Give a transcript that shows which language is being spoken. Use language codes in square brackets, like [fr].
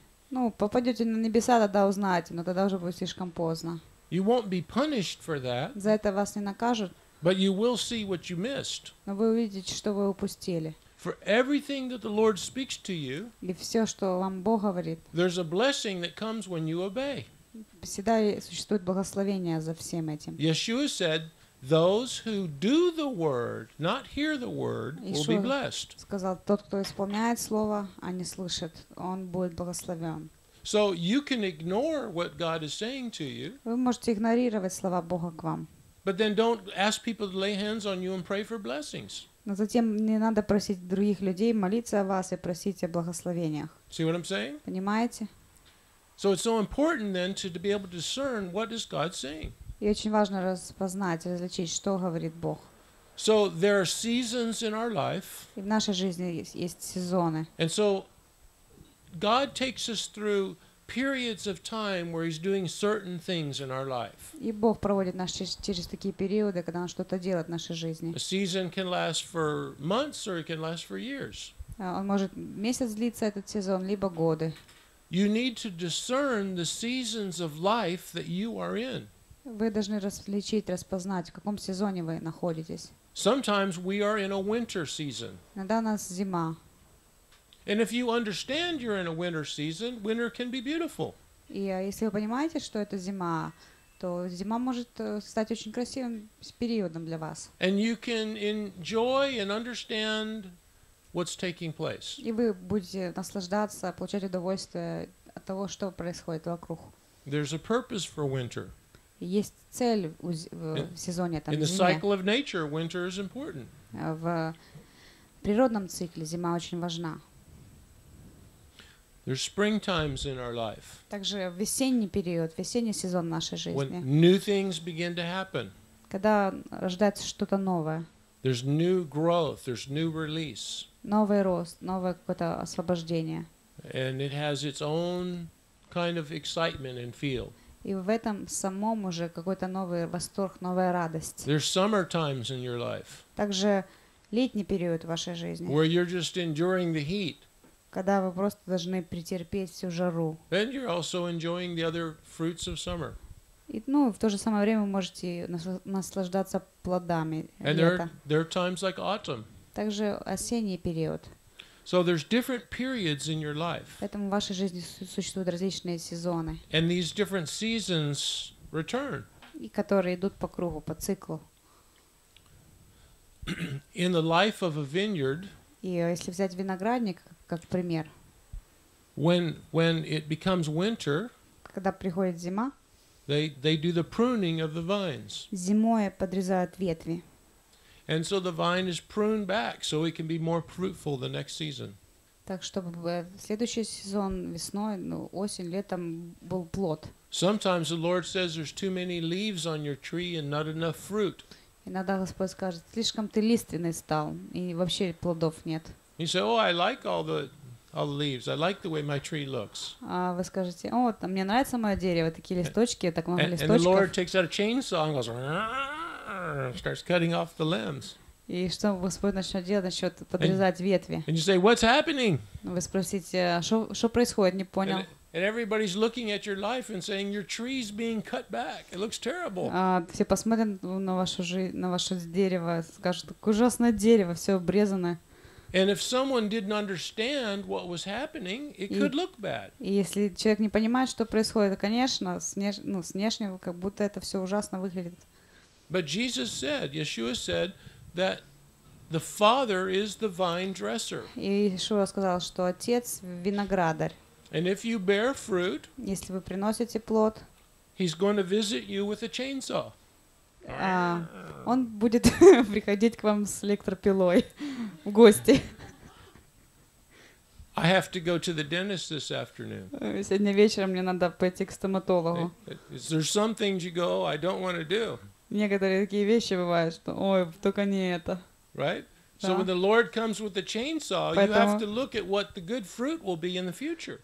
[ru] Ну, попадете на небеса, тогда узнаете, но тогда уже будет слишком поздно. [en] You won't be punished for that, [ru] за это вас не накажут. [en] But you will see what you missed. [ru] Но вы увидите, что вы упустили. [en] For everything that the Lord speaks to you, [ru] и все, что вам Бог говорит, [en] there's a blessing that comes when you obey. [ru] Всегда существует благословение за всем этим. [en] Yeshua said, those who do the word, not hear the word, will be blessed. [ru] Сказал, тот, кто исполняет слово, а не слышит, он будет благословен. [en] So you can ignore what God is saying to you. [ru] Вы можете игнорировать слова Бога к вам. [en] But then don't ask people to lay hands on you and pray for blessings. [ru] Но затем не надо просить других людей молиться о вас и просить о благословениях. [en] See what I'm saying? [ru] Понимаете? [en] So it's so important then to be able to discern what is God saying. [ru] И очень важно распознать, различить, что говорит Бог. [en] So there are seasons in our life. [ru] И в нашей жизни есть сезоны. [en] And so God takes us through periods of time where He's doing certain things in our life. [ru] И Бог проводит нас через такие периоды, когда Он что-то делает в нашей жизни. [en] A season can last for months or it can last for years. [ru] Он может месяц длиться этот сезон, либо годы. [en] You need to discern the seasons of life that you are in. [ru] Вы должны различить, распознать, в каком сезоне вы находитесь. [en] Sometimes we are in a winter season. [ru] Иногда у нас зима. [en] And if you understand you're in a winter season, winter can be beautiful. [ru] И если вы понимаете, что это зима, то зима может стать очень красивым периодом для вас. [en] And you can enjoy and understand what's taking place. [ru] И вы будете наслаждаться, получать удовольствие от того, что происходит вокруг. [en] There's a purpose for winter. [ru] Есть цель в сезоне, там, [en] in the cycle of nature, winter is important. [ru] В природном цикле зима очень важна. [en] There's spring times in our life. [ru] Также весенний период, весенний сезон нашей жизни. [en] When new things begin to happen. [ru] Когда рождается что-то новое. [en] There's new growth, there's new release. [ru] Новый рост, новое какое-то освобождение. [en] And it has its own kind of excitement and feel. [ru] И в этом самом уже какой-то новый восторг, новая радость. [en] There's summer times in your life. [ru] Также летний период в вашей жизни. [en] Where you're just enduring the heat. [ru] Когда вы просто должны претерпеть всю жару. [en] And you're also enjoying the other fruits of summer. [ru] И, ну, в то же самое время вы можете наслаждаться плодами лета. [en] And there are times like autumn. [ru] Также осенний период. [en] So there's different periods in your life. [ru] Поэтому в вашей жизни существуют различные сезоны. [en] And these different seasons return. [ru] И которые идут по кругу, по циклу. [en] In the life of a vineyard. [ru] И если взять виноградник как пример. [en] When it becomes winter. [ru] Когда приходит зима. [en] They do the pruning of the vines. [ru] Зимой подрезают ветви. [en] And so the vine is pruned back so it can be more fruitful the next season. [ru] Так чтобы следующий сезон весной, ну, осень, летом был плод. [en] Sometimes the Lord says there's too many leaves on your tree and not enough fruit. [ru] Иногда Господь скажет: слишком ты лиственный стал, и вообще плодов нет. [en] You say, oh, I like all the leaves. I like the way my tree looks. [ru] А вы скажете: о, там мне нравится мое дерево, такие листочки, так много листочков. [en] And the Lord takes out a chainsaw and goes, starts cutting off the limbs. [ru] И что Господь начнет делать насчет подрезать ветви? [en] And you say, what's happening? [ru] Вы спросите, что происходит? Не понял. [en] And everybody's looking at your life and saying your tree's being cut back. It looks terrible. [ru] Все посмотрят на ваше дерево, скажут, как ужасное дерево, все обрезано. [en] And if someone didn't understand what was happening, it could look bad. [ru] И если человек не понимает, что происходит, конечно, с внешнего как будто это все ужасно выглядит. [en] But Jesus said, Yeshua said, that the Father is the vine dresser. [ru] Иешуа сказал, что Отец – виноградарь. [en] And if you bear fruit, [ru] если вы приносите плод, [en] He's going to visit you with a chainsaw. [ru] Он будет приходить к вам с электропилой в гости. [en] I have to go to the dentist this afternoon. [ru] Сегодня вечером мне надо пойти к стоматологу. [en] Is there some things you go, I don't want to do? [ru] Некоторые такие вещи бывают, что, ой, только не это. [en] Right? So when the Lord comes with the chainsaw, you have to look at what the good fruit will be in the future.